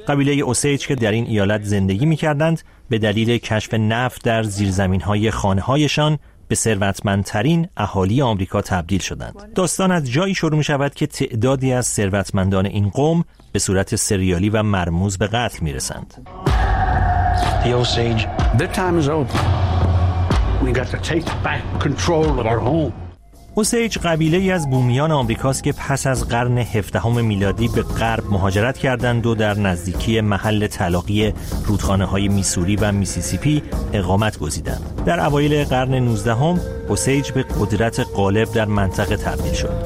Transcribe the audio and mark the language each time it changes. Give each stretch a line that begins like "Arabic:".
Persian: قبیله اوسیج که در این ایالت زندگی می‌کردند، به دلیل کشف نفت در زیرزمین‌های خانه‌هایشان به ثروتمندترین اهالی آمریکا تبدیل شدند. داستان از جایی شروع می‌شود که تعدادی از ثروتمندان این قوم به صورت سریالی و مرموز به قتل میرسند.
English: The Osage, the time is over. We got to take back control of our home.
Persian: اوسیج قبیله ای از بومیان آمریکاست که پس از قرن 17 میلادی به غرب مهاجرت کردند و در نزدیکی محل تلاقی رودخانه های میسوری و میسیسیپی اقامت گزیدند. در اوایل قرن 19 اوسیج به قدرت غالب در منطقه تبدیل شد.